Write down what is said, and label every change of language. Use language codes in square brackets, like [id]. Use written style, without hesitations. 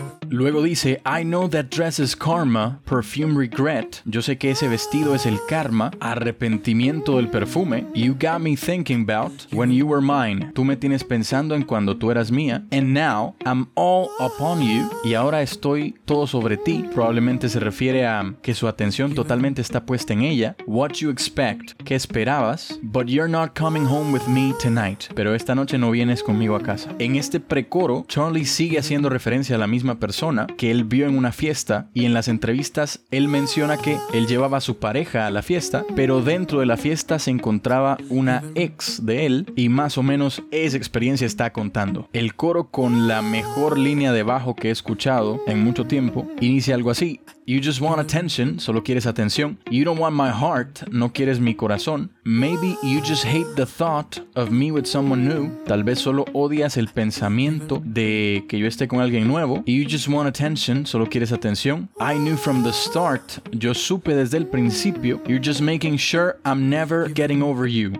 [es] Luego dice, [en] I know that dress is karma, perfume regret. [es] Yo sé que ese vestido es el karma, arrepentimiento del perfume. [en] You got me thinking about when you were mine. [es] Tú me tienes pensando en cuando tú eras mía. [en] And now, I'm all upon you. [es] Y ahora estoy todo sobre ti. Probablemente se refiere a que su atención totalmente está puesta en ella. [en] What you expect, [es] ¿qué esperabas? [en] But you're not coming home with me tonight. [es] Pero esta noche no vienes conmigo a casa. En este precoro, Charlie sigue haciendo referencia a la misma persona que él vio en una fiesta y en las entrevistas él menciona que él llevaba a su pareja a la fiesta, pero dentro de la fiesta se encontraba una ex de él y más o menos esa experiencia está contando. El coro con la mejor línea de bajo que he escuchado en mucho tiempo inicia algo así. [en] You just want attention, [es] solo quieres atención. [en] You don't want my heart, [es] no quieres mi corazón. [en] Maybe you just hate the thought of me with someone new. [es] Tal vez solo odias el pensamiento de que yo esté con alguien nuevo. [en] You just want attention, [es] solo quieres atención. [en] I knew from the start, [es] yo supe desde el principio. [en] You're just making sure I'm never getting over you.